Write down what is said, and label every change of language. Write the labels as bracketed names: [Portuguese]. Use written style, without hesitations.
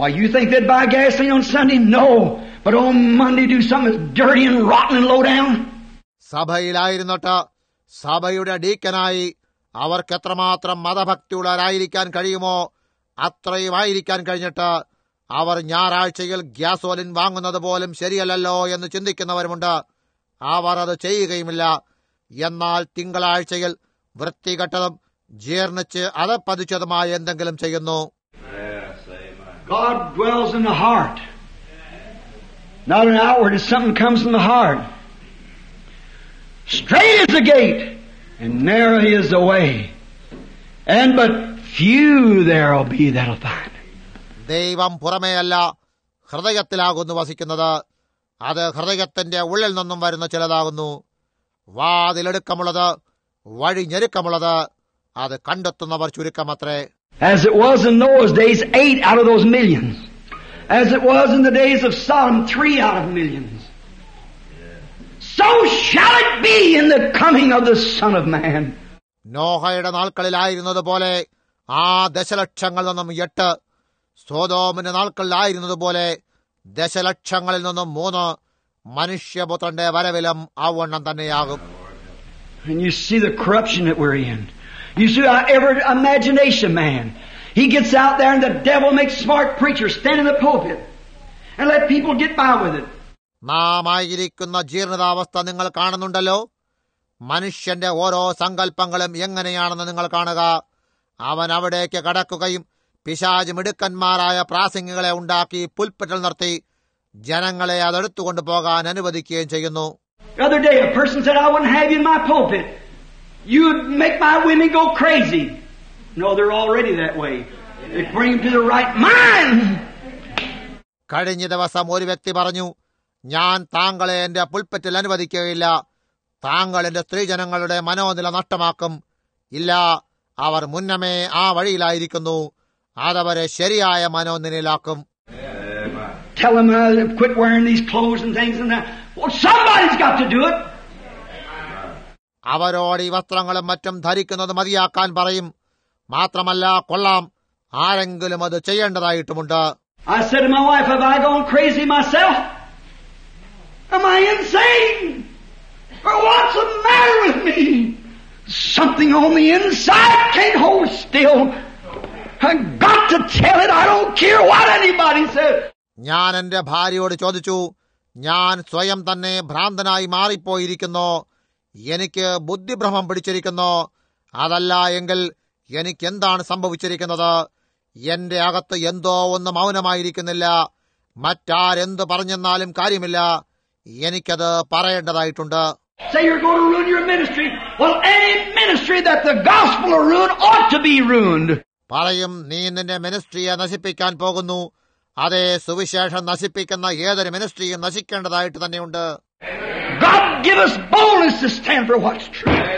[English] But on Monday do something dirty and rotten and low down. [Malayalam] സഭയിലായിരുന്നിട്ട് സഭയുടെ ഡീക്കനായി അവർക്ക് എത്രമാത്രം മതഭക്തിയുള്ളവരായിരിക്കാൻ കഴിയുമോ അത്രയുമായിരിക്കാൻ കഴിഞ്ഞിട്ട് അവർ ഞായറാഴ്ചയിൽ ഗ്യാസോലിൻ വാങ്ങുന്നത് പോലും ശരിയല്ലല്ലോ എന്ന് ചിന്തിക്കുന്നവരുമുണ്ട്. അവർ അത് ചെയ്യുകയുമില്ല. എന്നാൽ തിങ്കളാഴ്ചയിൽ വൃത്തികെട്ടതും ജീർണിച്ച് അധപ്പതിച്ചതുമായ എന്തെങ്കിലും ചെയ്യുന്നു. [English] God dwells in the heart. Not an outward, if something comes from the heart. Straight is the gate, and narrow is the way. And but few there'll be that'll find. [Malayalam] ദൈവം പുറമേയല്ല, ഹൃദയത്തിലാകുന്നു വസിക്കുന്നത്. അത് ഹൃദയത്തിന്റെ ഉള്ളിൽ നിന്നും വരുന്ന ചിലതാകുന്നു. വാതിലെടുക്കമുള്ളത്, വഴി ഞെരുക്കമുള്ളത്, അത് കണ്ടെത്തുന്നവർ ചുരുക്കമത്രേ. [English] As it was in those days, 8 out of those millions. As it was in the days of Sodom, 3 out of millions. So shall it be in the coming of the Son of Man. [Malayalam] നോഹയുടെ നാൾക്കളിലായിരുന്നതുപോലെ ആ ദശലക്ഷങ്ങളിൽ നിന്നും 8, സോദോമിന്റെ നാൾക്കളിലായിരുന്നതുപോലെ ദശലക്ഷങ്ങളിൽ നിന്നും 3, മനുഷ്യപുത്രന്റെ വരവിലും അവണ്ണം തന്നെയാകും. [English] And you see the corruption that we're in. You see, every imagination man, he gets out there and the devil makes smart preachers stand in the pulpit and let people get by with it. [Malayalam] നാമായിരിക്കുന്ന ജീർണതാവസ്ഥ നിങ്ങൾ കാണുന്നുണ്ടല്ലോ. മനുഷ്യന്റെ ഓരോ സങ്കല്പങ്ങളും എങ്ങനെയാണെന്ന് നിങ്ങൾ കാണുക. അവൻ അവിടേക്ക് കടക്കുകയും പിശാചു മിടുക്കന്മാരായ പ്രാസംഗികളെ ഉണ്ടാക്കി പുൽപ്പറ്റൽ നടത്തി ജനങ്ങളെ അതെടുത്തുകൊണ്ടു പോകാൻ അനുവദിക്കുകയും ചെയ്യുന്നു. [English] The other day a person said, I wouldn't have you in my pulpit. You'd make my women go crazy. No, they're already that way. They bring them to the right mind. [Malayalam] കഴിഞ്ഞ ദിവസം ഒരു വ്യക്തി പറഞ്ഞു, ഞാൻ താങ്കളെ എന്റെ പുൽപ്പറ്റിൽ അനുവദിക്കുകയില്ല. താങ്കൾ എന്റെ സ്ത്രീജനങ്ങളുടെ മനോനില നഷ്ടമാക്കും. ഇല്ല, അവർ മുന്നമേ ആ വഴിയിലായിരിക്കുന്നു. അതവരെ ശരിയായ മനോനിലയിലാക്കും. [English] Tell them to quit wearing these clothes and things and that. Well, somebody's got to do it. [Malayalam] അവരോട് ഈ വസ്ത്രങ്ങളും മറ്റും ധരിക്കുന്നത് മതിയാക്കാൻ പറയും. മാത്രമല്ല, കൊള്ളാം, ആരെങ്കിലും അത് ചെയ്യേണ്ടതായിട്ടുമുണ്ട്. [English] I said to my wife, have I gone crazy myself? Am I insane? Or what's the matter with me? Something on the inside can't hold still. I've got to tell it. I don't care what anybody says. [Malayalam] ഞാൻ എന്റെ ഭാര്യയോട് ചോദിച്ചു, ഞാൻ സ്വയം തന്നെ ഭ്രാന്തനായി മാറിപ്പോയിരിക്കുന്നു. എനിക്ക് ബുദ്ധിഭ്രമം പിടിച്ചിരിക്കുന്നു. അതല്ല എങ്കിൽ എനിക്കെന്താണ് സംഭവിച്ചിരിക്കുന്നത്? എന്റെ അകത്ത് എന്തോ ഒന്ന് മൗനമായിരിക്കുന്നില്ല. മറ്റാരെന്ത് പറഞ്ഞെന്നാലും കാര്യമില്ല. എനിക്കത് പറയേണ്ടതായിട്ടുണ്ട്. [English] Say you're going to ruin your ministry. Well, any ministry that the gospel will ruin ought to be ruined. [Malayalam] പറയും, നീ നിന്റെ മിനിസ്ട്രിയെ നശിപ്പിക്കാൻ പോകുന്നു. അതെ, സുവിശേഷം നശിപ്പിക്കുന്ന ഏതൊരു മിനിസ്ട്രിയും നശിക്കേണ്ടതായിട്ട് തന്നെയുണ്ട്. [English] God give us boldness to stand for what's true.